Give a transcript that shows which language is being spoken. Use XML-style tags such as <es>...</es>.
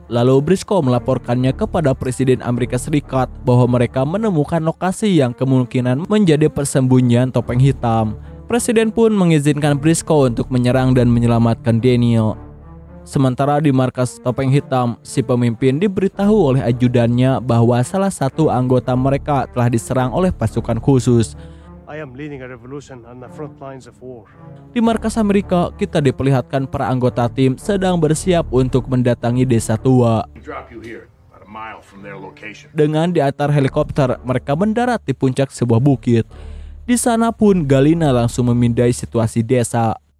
<id>Lalu Brisco melaporkannya kepada Presiden Amerika Serikat bahwa mereka menemukan lokasi yang kemungkinan menjadi persembunyian topeng hitam. Presiden pun mengizinkan Brisco untuk menyerang dan menyelamatkan Daniel. Sementara di markas topeng hitam, si pemimpin diberitahu oleh ajudannya bahwa salah satu anggota mereka telah diserang oleh pasukan khusus.</id> <en>I am leading a revolution on the front lines of war.</en> <id>Di markas Amerika, kita diperlihatkan para anggota tim sedang bersiap untuk mendatangi desa tua. Dengan diantar helikopter, mereka mendarat di puncak sebuah bukit. Di sana pun Galina langsung memindai situasi desa.</id>